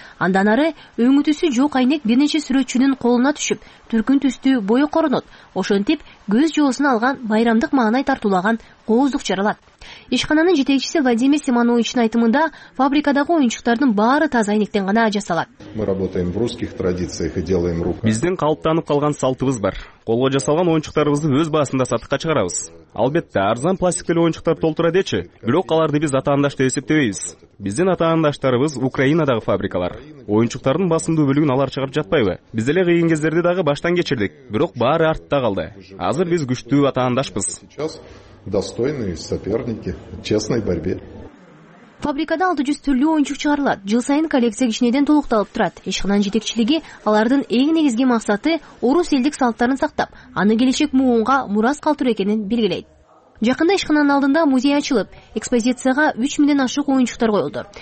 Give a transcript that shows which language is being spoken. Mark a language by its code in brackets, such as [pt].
[ky] Андан ары өңүтүүсү жок айнек бир нече сүрөтчүнүн колуна түшүп, түркүн түстүү бою коронот. Ошентип, көз жоосун алган байрамдык маанай тартуулаган кооздук жаралат. Ишкананын жетекчиси Владимир Симонович айтымында фабрикадагы оюнчуктардын баары таза айнектен гана жасалат. [ru] Мы работаем в русских традициях и делаем руками. [ky] Биздин калыптанып калган салтыбыз бар. Колго жасалган оюнчуктарыбызды өз баасында сатыкка чыгарабыз. Албетте, арзан пластик деле оюнчуктар толтура дечи, бирок аларды биз атаандаш деп эсептебейбиз. Биздин атаандаштарыбыз Украинадагы фабрикалар. Оюнчуктардын басымдуу бөлүгүн алар чыгарып жатпайбы? Биз деле кыйын кездерди дагы баштан кечирдик, бирок баары артта калды. Азыр биз күчтүү атаандашбыз. [ru] Достойные соперники в честной борьбе. [ky] Фабрикада 600 түрлүү оюнчук чыгарылат. Жыл сайын коллекция кичинеден толукталып турат. Ишкананын жетекчилиги алардын эң негизги максаты орус элдик салттарын сактап, аны келечек муунга мурас калтыруу экенин белгилейт. Жакында ишкананын алдында музей ачылып, экспозицияга 3000 ашык оюнчуктар коюлду.